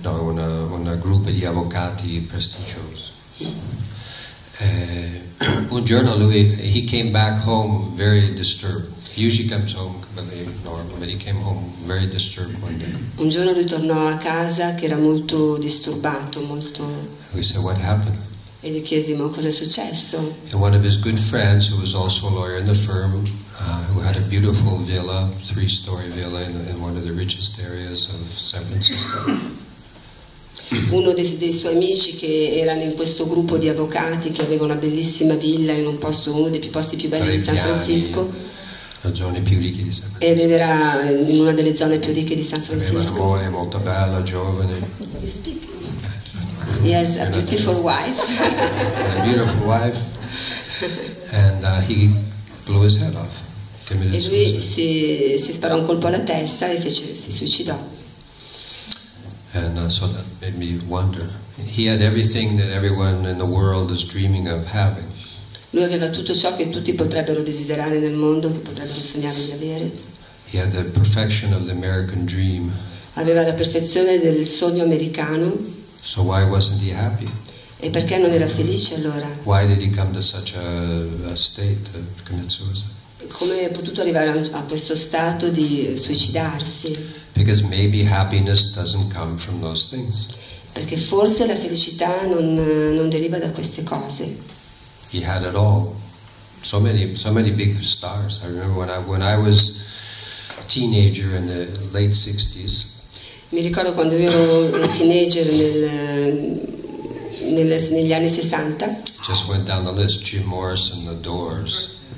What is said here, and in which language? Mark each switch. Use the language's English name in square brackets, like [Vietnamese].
[Italian] No, un gruppo di avvocati prestigiosi. Un giorno lui [English] he came back home very disturbed. Usually comes home completely normal, but he came home very disturbed one day. [Italian] Un giorno lui tornò a casa che era molto disturbato, molto. [English] We said, "What happened?" [Italian] E gli chiesimo cosa è successo. [English] And one of his good friends, who was also a lawyer in the firm, who had a beautiful villa, three-story villa in one of the richest areas of San Francisco. [Italian] Uno dei suoi amici che erano in questo gruppo di avvocati che aveva una bellissima villa in un posto, uno dei posti più belli di San Francisco. Zone più ricche di San Francisco. E vedrà in una delle zone più ricche di San Francisco. Aveva una moglie molto bella, giovane. [English] Yes, a beautiful wife. A beautiful wife. And he blew his head off. [Italian] E lui si sparò un colpo alla testa e si suicidò. [English] And so that made me wonder. He had everything that everyone in the world is dreaming of having. [Italian] Lui aveva tutto ciò che tutti potrebbero desiderare nel mondo, che potrebbero sognare di avere. [English] He had the perfection of the American dream. [Italian] Aveva la perfezione del sogno americano. [English] So why wasn't he happy? [Italian] E perché non era felice allora? [English] Why did he come to such a state to commit suicide? [Italian] Come è potuto arrivare a questo stato di suicidarsi? [English] Because maybe happiness doesn't come from those things. [Italian] Perché forse la felicità non deriva da queste cose. [English] He had it all. So many big stars. I remember when I was a teenager in the late 60s. [Italian] Mi ricordo quando ero un teenager negli anni 60. [English] Just went down the list: Jim Morrison, The Doors.